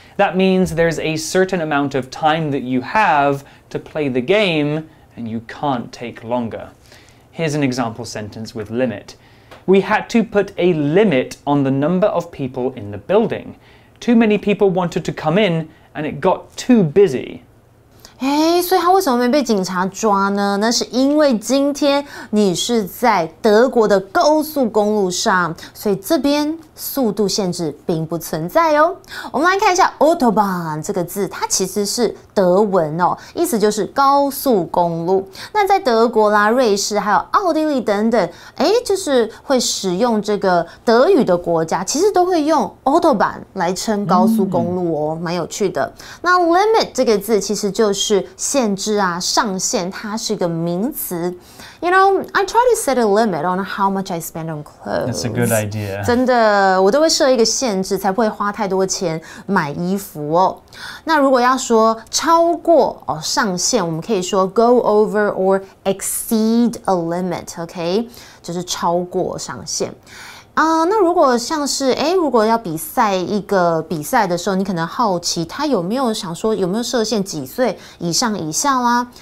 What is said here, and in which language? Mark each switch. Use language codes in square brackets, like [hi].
[en] That means there's a certain amount of time that you have to play the game, and you can't take longer. Here's an example sentence with limit. We had to put a limit on the number of people in the building. Too many people wanted to come in, and it got too busy. [zh] 所以他为什么没被警察抓呢？那是因为今天你是在德国的高速公路上，所以这边速度限制并不存在哦。我们来看一下 Autobahn 这个字，它其实是德文哦，意思就是高速公路。那在德国啦、瑞士还有奥地利等等，就是会使用这个德语的国家，其实都会用 Autobahn 来称高速公路哦，蛮有趣的。那 limit 这个字其实就是限制啊、上限，它是一个名词。 [en] You know, I try to set a limit on how much I spend on clothes. That's a good idea. [zh] 真的，我都会设一个限制，才不会花太多钱买衣服哦。那如果要说超过哦上限，我们可以说 [en] go over or exceed a limit. [zh] Okay, 就是超过上限。那如果像是如果要比赛一个比赛的时候，你可能好奇他有没有想说有没有设限几岁以上以下啦？